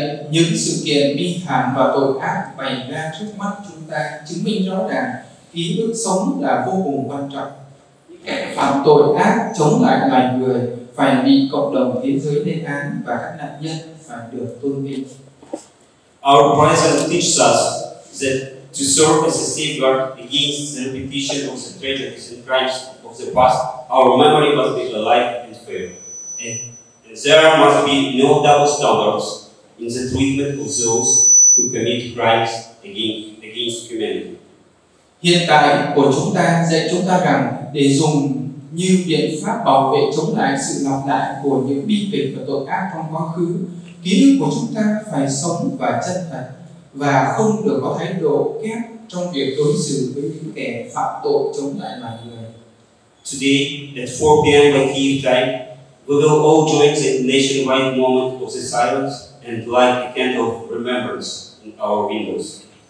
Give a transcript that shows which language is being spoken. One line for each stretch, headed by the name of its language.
Vietnamese: Những sự kiện bi thảm và tội ác bày ra trước mắt chúng ta chứng minh rõ ràng ý thức sống là vô cùng quan trọng. Những kẻ phạm tội ác chống lại loài người phải bị cộng đồng thế giới lên án và các nạn nhân phải được tôn vinh.
English: Our present teaches us that to serve as a safeguard against the repetition of the tragedies and crimes of the past, our memory must be alive and fair. There must be no double standards in the treatment of those who commit crimes against humanity.
Vietnamese: Hiện tại của chúng ta dạy chúng ta rằng để dùng như biện pháp bảo vệ chống lại sự lặp lại của những bi kịch và tội ác trong quá khứ, ký ức của chúng ta phải sống và chân thật và không được có thái độ kép trong việc đối xử với những kẻ phạm tội chống lại loài người.
English: Today at 4 p.m. by Kyiv time, we will all join the nationwide moment of the silence and light a candle of remembrance in our windows.